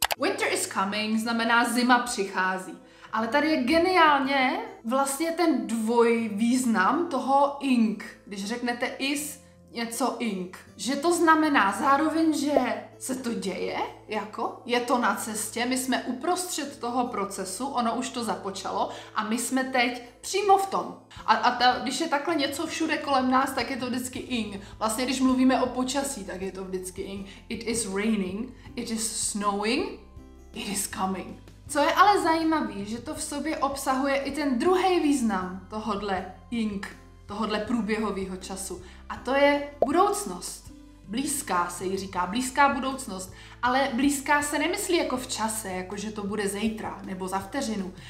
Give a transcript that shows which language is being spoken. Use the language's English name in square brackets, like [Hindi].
[English] Winter is coming [Czech] znamená zima přichází, ale tady je geniálně vlastně ten dvoj význam toho ink, když řeknete is něco ink, že to znamená zároveň, že se to děje, jako je to na cestě, my jsme uprostřed toho procesu, ono už to započalo a my jsme teď přímo v tom. A když je takhle něco všude kolem nás, tak je to vždycky ing. Vlastně když mluvíme o počasí, tak je to vždycky ing. [English] It is raining, it is snowing, it is coming. [Czech] Co je ale zajímavé, že to v sobě obsahuje i ten druhý význam tohodle ing, tohodle průběhového času. A to je budoucnost. Blízká se jí říká, blízká budoucnost. Ale blízká se nemyslí jako v čase, jako že to bude zítra nebo za vteřinu.